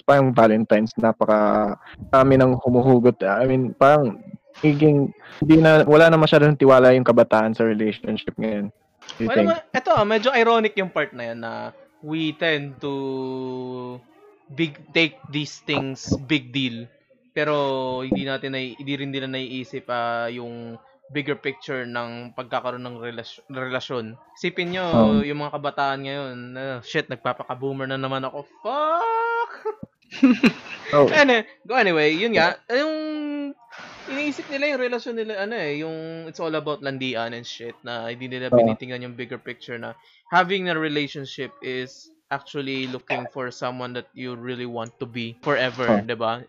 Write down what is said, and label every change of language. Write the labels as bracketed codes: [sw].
[tl] Parang Valentine's, napaka-dami ng humuhugot. [en] I mean, [tl] parang nagiging, wala na masyadong tiwala yung kabataan sa relationship ngayon. Well, ito, medyo ironic yung part na yan na [en] we tend to take these things big deal. [tl] Pero hindi natin hindi rin naiisip yung [en] bigger picture [tl] ng pagkakaroon ng relasyon. Isipin nyo, yung mga kabataan ngayon, shit, nagpapaka-boomer na naman ako. [en] Fuck! Oh. Anyway, [tl] yun nga, yung iniisip nila yung relasyon nila, yung [en] it's all about landian and shit, [tl] na hindi nila binitingan yung [en] bigger picture na having a relationship is actually looking for someone that you really want to be forever, [tl] diba?